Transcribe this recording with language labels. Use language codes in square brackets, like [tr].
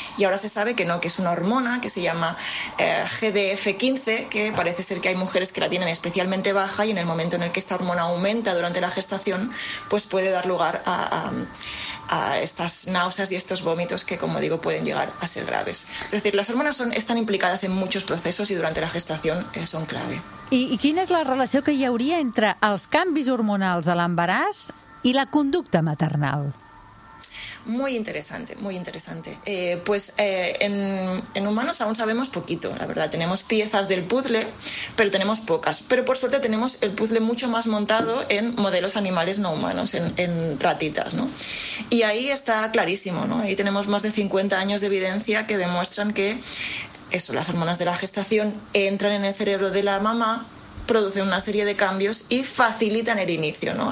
[es] Y ahora se sabe que no, que es una hormona que se llama GDF-15, que parece ser que hay mujeres que la tienen especialmente baja y en el momento en el que esta hormona aumenta durante la gestación, pues puede dar lugar a estas náuseas y estos vómitos que, como digo, pueden llegar a ser graves. Es decir, las hormonas están implicadas en muchos procesos y durante la gestación son clave. [ca] I quina és la relació que hi hauria entre els canvis hormonals a l'embaràs i la conducta maternal? [es] Muy interesante. En humanos aún sabemos poquito, la verdad. Tenemos piezas del puzzle, pero tenemos pocas. Pero por suerte tenemos el puzzle mucho más montado en modelos animales no humanos, en ratitas, ¿no? Y ahí está clarísimo, ¿no? Ahí tenemos más de 50 años de evidencia que demuestran que eso, las hormonas de la gestación entran en el cerebro de la mamá, producen una serie de cambios y facilitan el inicio, ¿no?